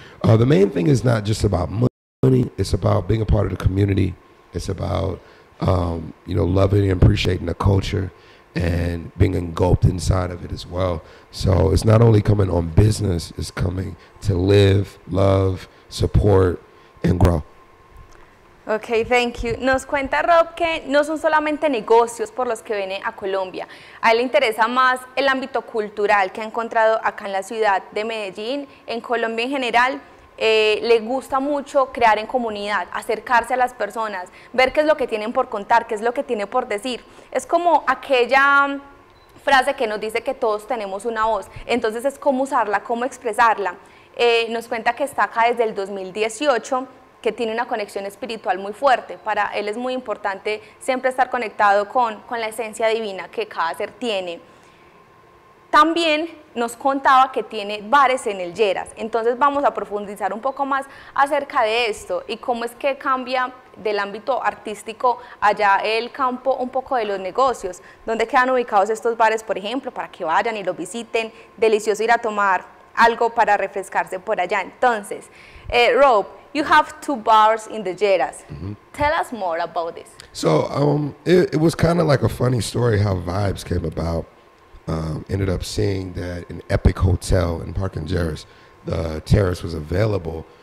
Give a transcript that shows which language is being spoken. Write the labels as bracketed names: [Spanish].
[English] The main thing is not just about money. It's about being a part of the community. It's about, you know, loving and appreciating the culture and being engulfed inside of it as well. So it's not only coming on business, it's coming to live, love, support, and grow. Okay, thank you. [Spanish] Nos cuenta Rob que no son solamente negocios por los que viene a Colombia. A él le interesa más el ámbito cultural que ha encontrado acá en la ciudad de Medellín, en Colombia en general. Le gusta mucho crear en comunidad, acercarse a las personas, ver qué es lo que tienen por contar, qué es lo que tiene por decir. Es como aquella frase que nos dice que todos tenemos una voz, entonces es cómo usarla, cómo expresarla. Nos cuenta que está acá desde el 2018, que tiene una conexión espiritual muy fuerte. Para él es muy importante siempre estar conectado con la esencia divina que cada ser tiene. También nos contaba que tiene bares en el Lleras. Entonces vamos a profundizar un poco más acerca de esto y cómo es que cambia del ámbito artístico allá el campo un poco de los negocios. ¿Dónde quedan ubicados estos bares, por ejemplo, para que vayan y los visiten? Delicioso ir a tomar algo para refrescarse por allá. [English] Entonces, Rob, you have two bars in the Lleras. Tell us more about this. So it was kind of like a funny story how Vibes came about. Ended up seeing that an Epic Hotel in Parque Jarrah, the terrace was available.